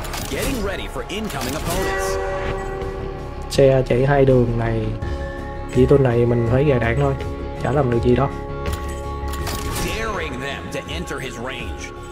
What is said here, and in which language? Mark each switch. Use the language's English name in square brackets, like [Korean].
[English] Getting ready for incoming opponents. [Vietnamese] Xe chạy hai đường này, chỉ tôi này mình phải gài đạn thôi, chả làm được gì đó. [English] Daring them to enter his range.